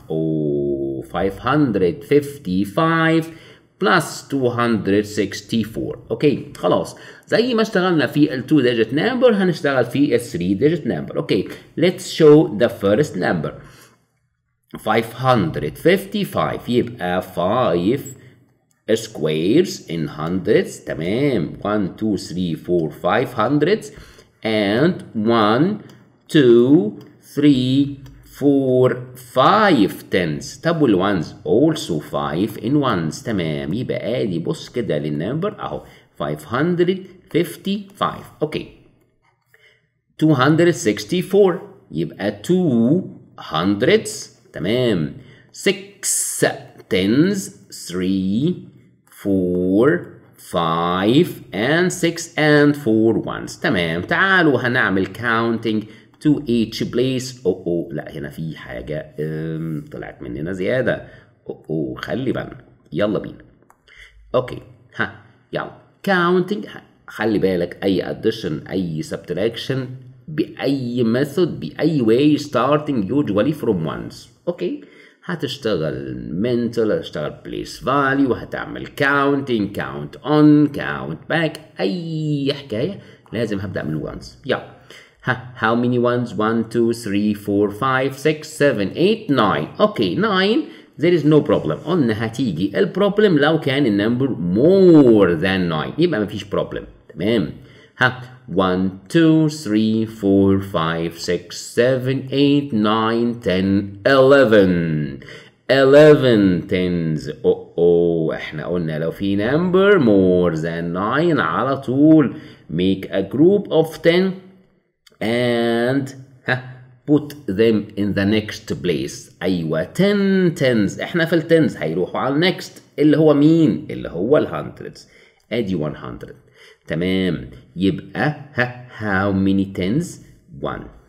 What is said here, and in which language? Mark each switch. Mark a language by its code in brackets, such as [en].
[en] 555 plus 264. [ar] اوكي خلاص زي ما اشتغلنا في [en] التو digit number [ar] هنشتغل في الثري ديجيت نمبر. [en] Okay let's show the first number 555. يبقى 5 squares in hundreds تمام 1 2 3 4 5 hundreds and 1 2 3 four, five tens. طب والones also five in ones. [ar] تمام يبقى ادي بص كده للنمبر اهو 555. اوكي 264 يبقى 200. [en] تمام 6 tens 3 4 5 and 6 and 4 ones. [ar] تمام تعالوا هنعمل [en] counting to each place. [ar] او لا هنا في حاجه طلعت مننا زياده. او خلي بالنا يلا بينا. اوكي ها يلا counting. [en] خلي بالك اي addition اي subtraction بأي method بأي way starting usually from ones. [ar] اوكي هتشتغل mental هتشتغل place value هتعمل counting [en] count on count back [ar] اي حكاية لازم هبدأ من ones. [en] يلا ها how many ones 1 2 3 4 5 6 7 8 9. Okay 9 there is no problem. [ar] قلنا هتيجي البروبلم لو كان النمبر [en] more than 9 [ar] يبقى مفيش problem. [en] تمام ها 1 2 3 4 5 6 7 8 9 10 11 11 tens. [ar] احنا قلنا لو في [en] number more than 9 على طول make a group of 10 and put them in the next place. [ar] ايوه 10 tens احنا في التنز هيروحوا على next اللي هو مين اللي هو الهندردز ادي 100. [en] تمام يبقى ها how many tens 1.